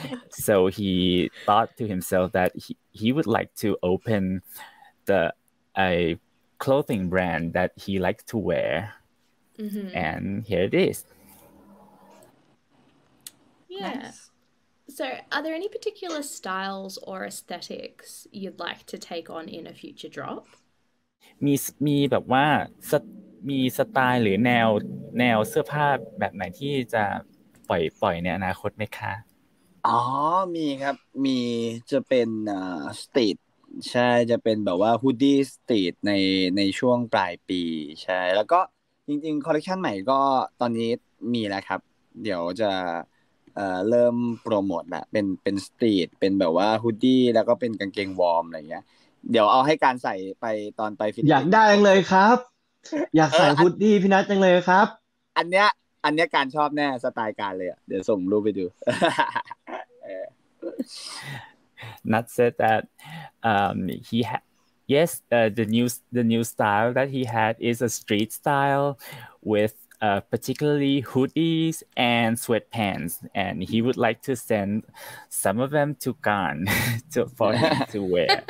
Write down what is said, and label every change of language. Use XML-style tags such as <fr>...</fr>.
<en>so he thought to himself that he would like to open a clothing brand that he likes to wear, mm-hmm. and here it is. Yeah. Nice. So are there any particular styles or aesthetics you'd like to take on in a future drop?</en> <th>มีแบบว่ามีสไตล์หรือแนวเสื้อผ้าแบบไหนที่จะปล่อยในอนาคตไหมคะ อ๋อมีครับมีจะเป็นสตรีทใช่จะเป็นแบบว่าฮูดดี้สตรีทในช่วงปลายปีใช่แล้วก็จริงๆคอลเลคชันใหม่ก็ตอนนี้มีแล้วครับเดี๋ยวจะเริ่มโปรโมทแหละเป็นสตรีทเป็นแบบว่าฮูดดี้แล้วก็เป็นกางเกงวอร์มอะไรเงี้ยเดี๋ยวเอาให้การใส่ไปตอนไปฟิต อยากได้จังเลยครับอยากใส่ฮูดดี้พี่นัทจังเลยครับ อันเนี้ยการชอบแน่สไตล์การเลยอ่ะเดี๋ยวส่งรูปไปดู</th> <en>Nat said that he had yes the new style that he had is a street style withparticularly hoodies and sweatpants, and he would like to send some of them to Karn for him to wear.</en>